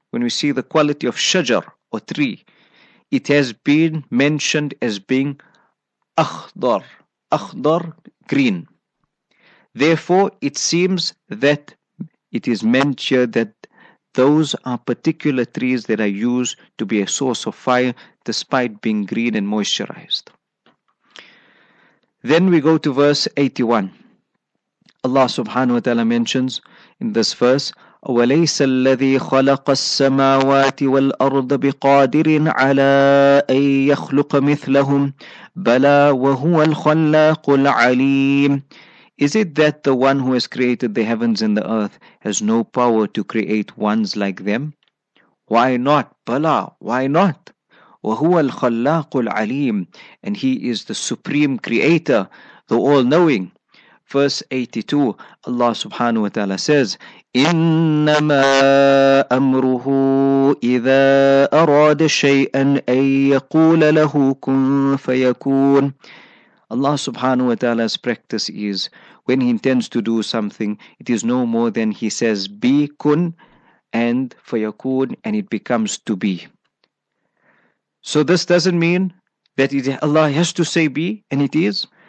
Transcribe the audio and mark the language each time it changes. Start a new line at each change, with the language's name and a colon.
English: when we see the quality of shajar or tree, it has been mentioned as being akhdar, akhdar, green. Therefore, it seems that it is mentioned that those are particular trees that are used to be a source of fire despite being green and moisturized. Then we go to verse 81. Allah subhanahu wa ta'ala mentions in this verse,
Arabic: أَوَلَيْسَ الَّذِي خَلَقَ السَّمَاوَاتِ وَالْأَرْضَ بِقَادِرٍ عَلَىٰ أَن يَخْلُقَ مِثْلَهُمْ بَلَىٰ وَهُوَ الْخَلَّاقُ الْعَلِيمُ.
English: Is it that the one who has created the heavens and the earth has no power to create ones like them? Why not? Bala, why not?
Arabic: وَهُوَ الْخَلَّاقُ الْعَلِيمُ.
English: And he is the supreme creator, the all-knowing. Verse 82, Allah subhanahu wa ta'ala says,
Arabic: إِنَّمَا أَمْرُهُ إِذَا أَرَادَ شَيْئًا أَن يَقُولَ لَهُ كُنْ فَيَكُونَ.
English: Allah subhanahu wa ta'ala's practice is, when he intends to do something, it is no more than he says, be kun, and fayakun, and it becomes to be. So this doesn't mean that Allah has to say be, and it is.